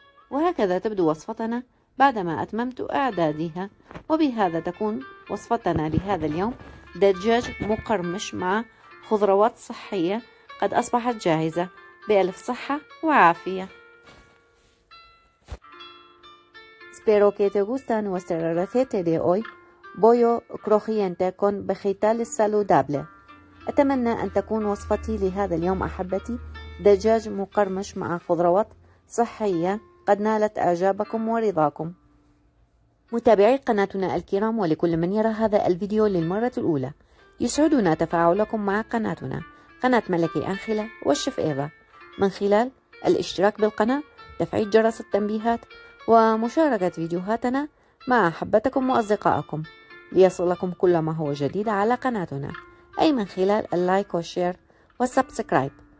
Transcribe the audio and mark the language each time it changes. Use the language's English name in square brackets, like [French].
[Arabic] وهكذا تبدو وصفتنا بعدما أتممت إعدادها، وبهذا تكون وصفتنا لهذا اليوم دجاج مقرمش مع خضروات صحية قد أصبحت جاهزة. بألف صحة وعافية. [Spanish] Espero que te guste nuestra receta de hoy, pollo crujiente con vegetales saludables. [Arabic] أتمنى أن تكون وصفتي لهذا اليوم أحبتي دجاج مقرمش مع خضروات صحية قد نالت أعجابكم ورضاكم. متابعي قناتنا الكرام ولكل من يرى هذا الفيديو للمرة الأولى، يسعدنا تفاعلكم مع قناتنا قناة ملكي أنخلة والشيف إيفا من خلال الاشتراك بالقناة، تفعيل جرس التنبيهات، ومشاركة فيديوهاتنا مع أحبتكم وأصدقائكم ليصلكم كل ما هو جديد على قناتنا، أي من خلال اللايك والشير والسبسكرايب.